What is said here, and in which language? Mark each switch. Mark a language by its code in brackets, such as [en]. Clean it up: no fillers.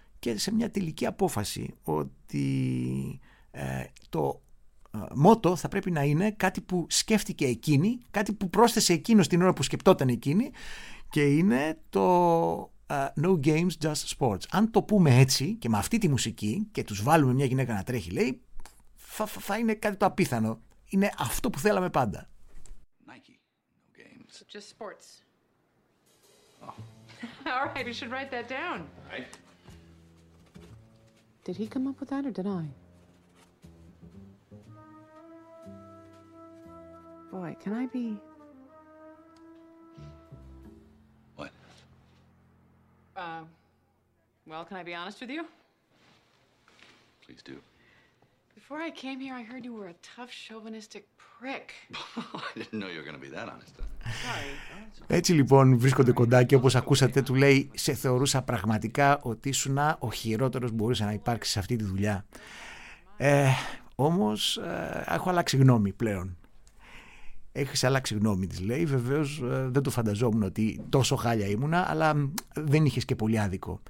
[el] Και σε μια τελική απόφαση ότι το μότο θα πρέπει να είναι κάτι που σκέφτηκε εκείνη, κάτι που πρόσθεσε εκείνος την ώρα που σκεπτόταν εκείνη, και είναι το [en] «No games, just sports». [el] Αν το πούμε έτσι και με αυτή τη μουσική και τους βάλουμε μια γυναίκα να τρέχει, λέει, θα είναι κάτι το απίθανο. Είναι αυτό που θέλαμε πάντα. [en] Nike, no games. Just sports. Oh. All right, you should write that down. All right. Did he come up with that or did I? Boy, can I be... What? Well, can I be honest with you? Please do. Before I came here, I heard you were a tough, chauvinistic prick. I didn't know you were going to be that honest. Sorry. [el] Έτσι λοιπόν βρίσκονται κοντά και όπως ακούσατε του λέει, σε θεωρούσα πραγματικά ότι ήσουν ο χειρότερος που μπορούσε να υπάρξει σε αυτή τη δουλειά. Όμως έχω αλλάξει γνώμη πλέον. Έχεις αλλάξει γνώμη, της λέει. Βεβαίως δεν το φανταζόμουν ότι τόσο χάλια ήμουνα, αλλά δεν είχες και πολύ άδικο.